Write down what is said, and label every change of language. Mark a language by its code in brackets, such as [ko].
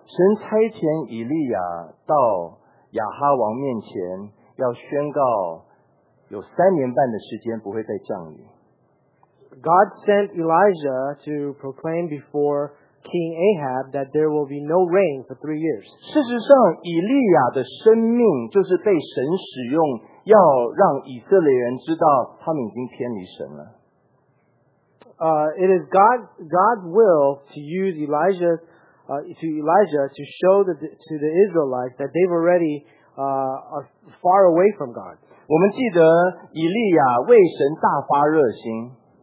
[zh] 神差遣以利亚到亚哈王面前要宣告有三年半的时间不会再降雨。 [en] God sent Elijah to proclaim before King Ahab that there will be no rain for 3 years. [zh] 事实上以利亚的生命就是被神使用要让以色列人知道他们已经偏离神了。 [en] It is God's will to use Elijah's, to Elijah to show to the Israelites that they've already, are far away from God. [zh] 我们记得以利亚为神大发热心。